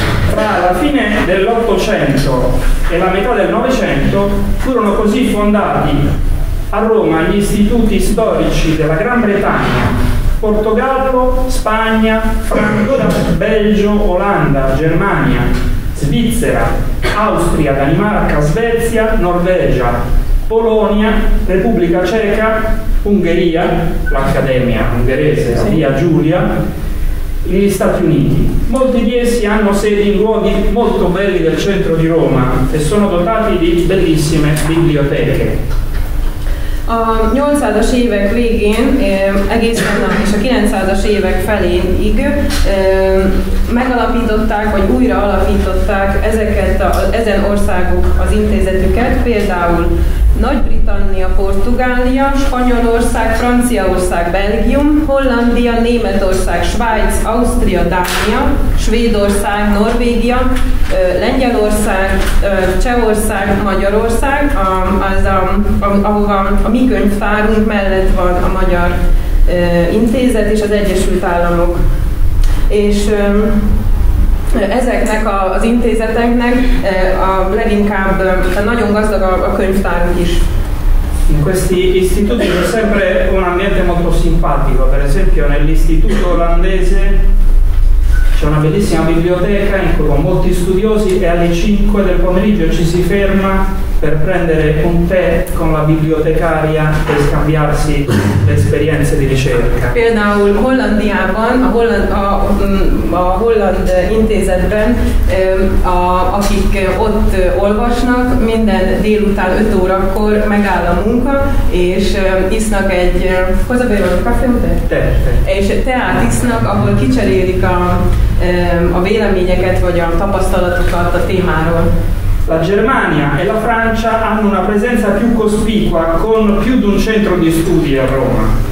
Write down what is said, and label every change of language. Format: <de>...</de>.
<it>Tra la fine dell'Ottocento e la metà del Novecento furono così fondati a Roma gli istituti storici della Gran Bretagna, Portogallo, Spagna, Francia, Belgio, Olanda, Germania, Svizzera, Austria, Danimarca, Svezia, Norvegia, Polonia, Repubblica Ceca, Ungheria, l'Accademia Ungherese, Via Giulia, gli Stati Uniti. Molti di essi hanno sedi in luoghi molto belli del centro di Roma e sono dotati di bellissime biblioteche.</it> <hu>A 800-as évek végén, egészen és a 900-as évek feléig megalapították, vagy újra alapították ezeket ezen országok az intézetüket, például Nagy-Britannia, Portugália, Spanyolország, Franciaország, Belgium, Hollandia, Németország, Svájc, Ausztria, Dánia, Svédország, Norvégia, Lengyelország, Csehország, Magyarország, ahova a mi könyvtárunk mellett van a Magyar Intézet és az Egyesült Államok. És ezeknek az intézeteknek a leginkább nagyon gazdag a könyvtárunk is.</hu> <it>In questi istituti c'è sempre un ambiente molto simpatico, per esempio nell'istituto olandese c'è una bellissima biblioteca con molti studiosi e alle 5 del pomeriggio ci si ferma per prendere un tè con la bibliotecaria e scambiarsi le esperienze di ricerca.</it> <hu>Per esempio, in Hollandia, a Holland intézetben, akik ott olvasnak, minden délután 5 órakor megáll a munka, és isznak egy hozzabérolt kafét. És teát isznak, ahol kicserélik a véleményeket vagy a tapasztalatokat a témáról.</hu> <it>La Germania e la Francia hanno una presenza più cospicua con più di un centro di studi a Roma.</it>